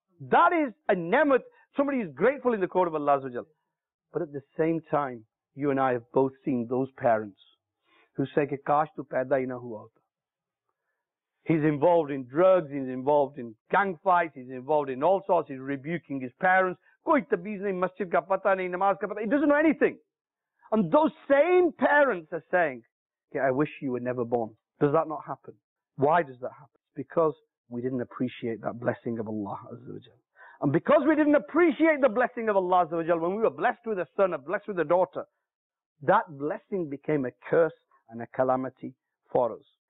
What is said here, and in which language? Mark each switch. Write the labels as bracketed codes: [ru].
[en] That is a ni'mat. Somebody is grateful in the court of Allah Azza wa Jal. But at the same time, you and I have both seen those parents who say, [ur] kaash tu paida hi na hua hota. [en] He's involved in drugs, he's involved in gang fights, he's involved in all sorts, he's rebuking his parents. [ur] کوئی تعویذ نہیں, مسجد کا پتا نہیں, نماز کا پتا, [en] he doesn't know anything. And those same parents are saying, okay, I wish you were never born. Does that not happen? Why does that happen? Because we didn't appreciate that blessing of Allah Azza wa Jal. And because we didn't appreciate the blessing of Allah Azza wa Jal, when we were blessed with a son, or blessed with a daughter, that blessing became a curse and a calamity for us.